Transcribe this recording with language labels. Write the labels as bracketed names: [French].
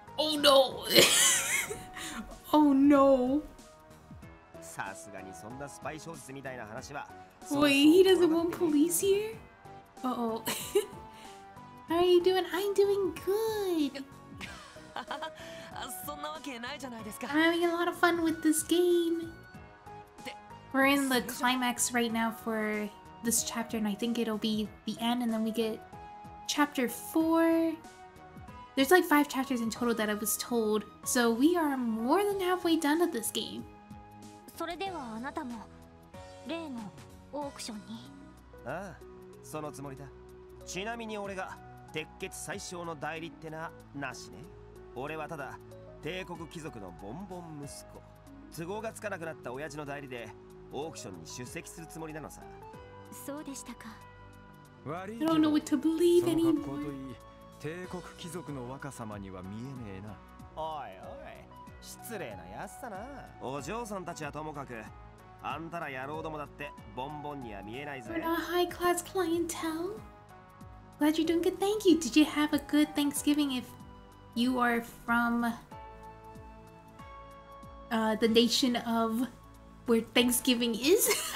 [English] Oh no! [Japanese] さすがにそんなスパイ小説みたいな話は。 [English] Wait, he doesn't want police here? Uh-oh. How are you doing? I'm doing good! [Japanese] そんなわけないじゃないですか。 [English] I'm having a lot of fun with this game! We're in the climax right now for... This chapter, and I think it'll be the end, and then we get chapter 4. There's like 5 chapters in total that I was told, so we are more than halfway done with this game. [Japanese] So, ではあなたも例のオークションに。ああ、そのつもりだ。ちなみに俺が鉄血最小の代理ってな、なしね。俺はただ帝国貴族のボンボン息子。都合がつかなくなった親父の代理でオークションに出席するつもりなのさ。そうでしたか。 [English] I don't know what to believe anymore. [Japanese] 帝国貴族の若様には見えねえな。おいおい、失礼なやつだな。お嬢さんたちはともかく、あんたら野郎どもだってボンボンには見えないぜ。 [English] We're not high class clientele. Glad you're doing good. Thank you. Did you have a good Thanksgiving if you are from the nation of where Thanksgiving is?